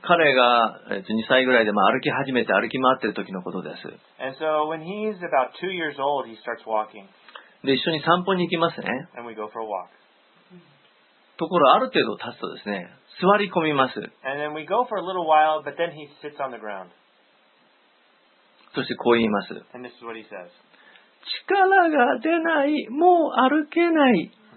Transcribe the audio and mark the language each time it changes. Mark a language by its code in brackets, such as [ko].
[ja] 彼が2歳ぐらいで歩き始めて歩き回っている時のことです。 [en] And so when he's about 2 years old, he starts walking. [ja] で、一緒に散歩に行きますね。 [en] And we go for a walk. [ja] ところある程度立つとですね、座り込みます。 [en] And then we go for a little while, but then he sits on the ground. [ja] そしてこう言います。 [en] And this is what he says. [ja] 力が出ない、もう歩けない。